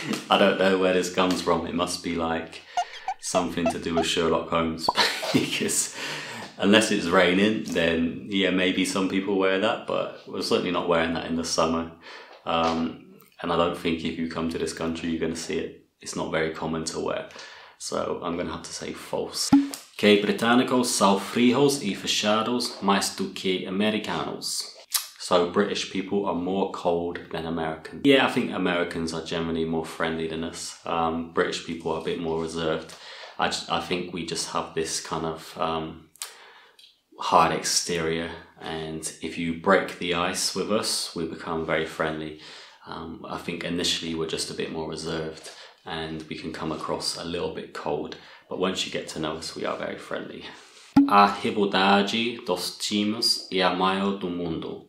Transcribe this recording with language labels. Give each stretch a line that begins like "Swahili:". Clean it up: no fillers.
English: I don't know where this comes from. It must be like something to do with Sherlock Holmes, because unless it's raining, then yeah, maybe some people wear that, but we're certainly not wearing that in the summer. And I don't think if you come to this country, you're going to see it. It's not very common to wear. So I'm going to have to say false.
Portuguese: Que britânicos são frios e fechados mais do que americanos.
English: So British people are more cold than Americans. Yeah, I think Americans are generally more friendly than us. British people are a bit more reserved. I think we just have this kind of hard exterior. And if you break the ice with us, we become very friendly. I think initially we're just a bit more reserved and we can come across a little bit cold. But once you get to know us, we are very friendly.
Portuguese: A rivalidade dos times é a maior do mundo.